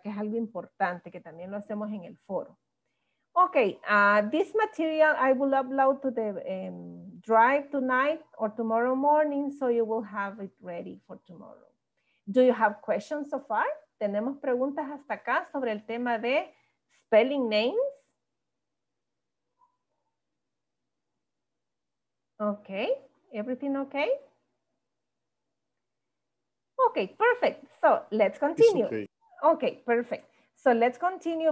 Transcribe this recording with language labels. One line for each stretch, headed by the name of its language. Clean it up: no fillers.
Spanish: Que es algo importante, que también lo hacemos en el foro.
English: Ok, this material I will upload to the drive tonight or tomorrow morning, so you will have it ready for tomorrow. Do you have questions so far?
Spanish: ¿Tenemos preguntas hasta acá sobre el tema de spelling names?
English: Okay, everything okay? Okay, perfect. So let's continue. Okay, perfect. So let's continue.